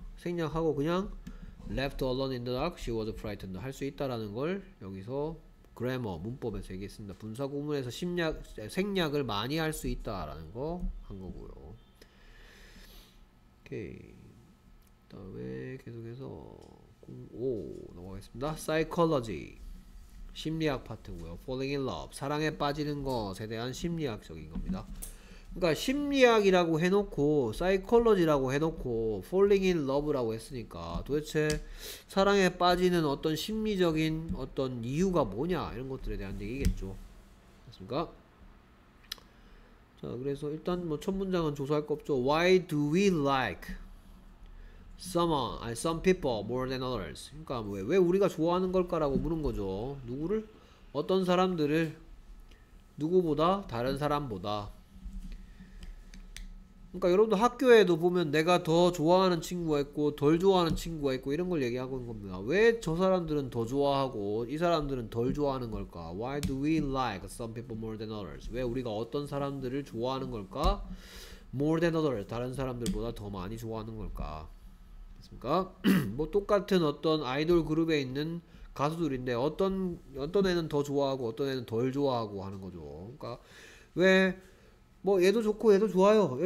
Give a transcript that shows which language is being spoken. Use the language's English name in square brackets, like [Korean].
[Korean] 생략하고 그냥 [English] left alone in the dark, she was frightened. [Korean] 할수 있다라는 걸 여기서 grammar, 문법에서 얘기했습니다. 분사구문에서 생략을 많이 할수 있다라는 거한 거고요. 오케이. 그다음에 계속해서 05 넘어가겠습니다. psychology. 심리학 파트고요. falling in love. 사랑에 빠지는 것에 대한 심리학적인 겁니다. 그러니까 심리학이라고 해놓고 사이콜로지라고 해놓고 Falling in Love라고 했으니까 도대체 사랑에 빠지는 어떤 심리적인 어떤 이유가 뭐냐 이런 것들에 대한 얘기겠죠. 맞습니까? 자, 그래서 일단 뭐첫 문장은 조사할 거 없죠. [English] Why do we like some people more than others? [Korean] 그러니까 왜 우리가 좋아하는 걸까라고 물은 거죠. 누구를? 어떤 사람들을 누구보다 다른 사람보다 그러니까 여러분도 학교에도 보면 내가 더 좋아하는 친구가 있고 덜 좋아하는 친구가 있고 이런 걸 얘기하고 있는 겁니다. 왜저 사람들은 더 좋아하고 이 사람들은 덜 좋아하는 걸까? [English] Why do we like some people more than others? [Korean] 왜 우리가 어떤 사람들을 좋아하는 걸까? [English] More than others. [Korean] 다른 사람들보다 더 많이 좋아하는 걸까? 맞습니까? 뭐 똑같은 어떤 아이돌 그룹에 있는 가수들인데 어떤 애는 더 좋아하고 어떤 애는 덜 좋아하고 하는 거죠. 그러니까 왜뭐 얘도 좋고 얘도 좋아요.